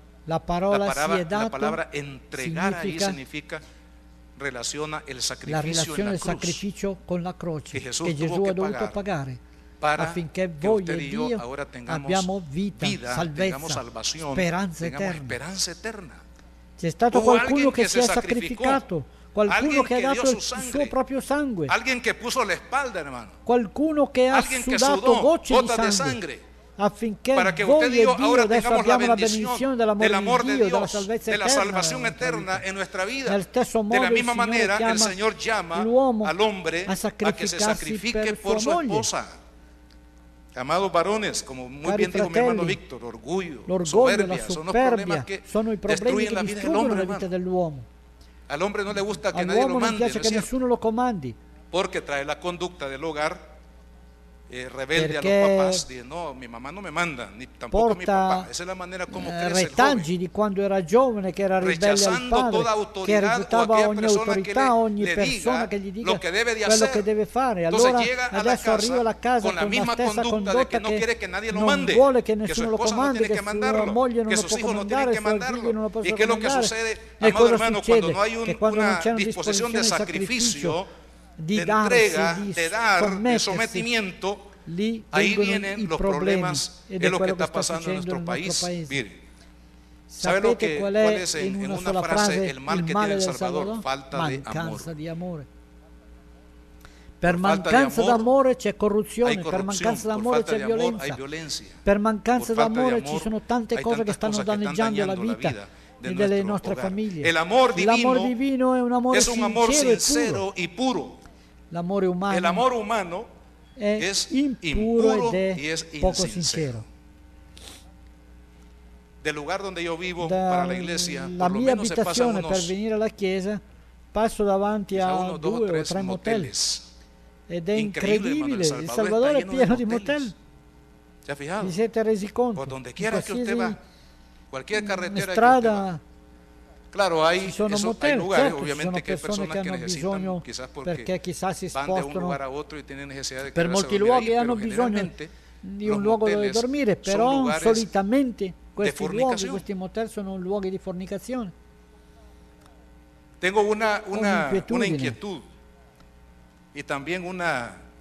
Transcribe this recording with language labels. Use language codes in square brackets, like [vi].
[es] La palabra entregar significa, ahí significa, relaciona el sacrificio, el sacrificio con la [it] croce, [es] que Jesús [it] ha dovuto pagare. [es] Para que [it] voi [es] usted y yo ahora tengamos vida, [it] salvezza, [es] tengamos salvación, esperanza, esperanza eterna. [it] C'è stato qualcuno che si è sacrificato, qualcuno che ha dato il suo proprio sangue, [es] alguien que puso la espalda, hermano, [it] qualcuno che ha sudato gocce di sangue, affinché voi e Dio adesso abbiamo la benedizione dell'amore di Dio, della salvezza eterna, della salvazione eterna in nostra vita. Nel stesso modo, della [es] misma manera, [it] il Signore chiama l'uomo a sacrificarsi per sua moglie. [es] Amados varones, como muy bien dijo mi hermano Víctor, orgullo, soberbia, son los problemas que destruyen la vida del hombre. Al hombre no le gusta que nadie lo mande, al hombre no le gusta que [it] nessuno lo comandi, [es] porque trae la conducta del hogar rebelde a los papás, dice, no, mi mamá no me manda, ni tampoco mi papá. Esa es la manera como crece el joven. [it] Retangi di quando era giovane che era ribelle al padre, che rifiutava ogni autorità, ogni persona che gli dica quello che deve fare. Allora adesso arriva alla casa con la stessa condotta che non vuole che nessuno lo comandi, che sua moglie non lo può comandare, che suoi figli non lo possono comandare. E cosa succede? Che quando non c'è una disposizione di sacrificio, di [es] de entrega, de dar, [it] di [es] sometimiento, [it] lì [es] ahí vienen los problemas, es lo que está pasando en nuestro país. Mire, ¿sabe lo que, cuál es en una frase el mal que tiene el Salvador? Falta de amor. [it] Per mancanza d'amore c'è corruzione, per mancanza d'amore c'è violenza, per mancanza d'amore ci sono tante cose che stanno danneggiando la vita e delle nostre famiglie. L'amore divino è un amore sincero e puro. L'amore umano, è impuro ed è poco sincero. [es] Del lugar donde io vivo [it] la mia abitazione per venire alla chiesa, passo davanti a due o tre motel. Ed è incredibile, il Salvador è pieno di motel. Vi siete resi conto? [es] Por donde quiera [it] che [es] usted va, cualquier carretera, [it] strada, [es] claro, hay, [it] ci sono motel, [es] hay lugares, [it] certo, obviamente, ci sono persone che hanno bisogno, perché chissà si spostano per molti luoghi e hanno bisogno di un luogo dove dormire, però solitamente questi motel sono luoghi di fornicazione. [es] Tengo una inquietud y también una,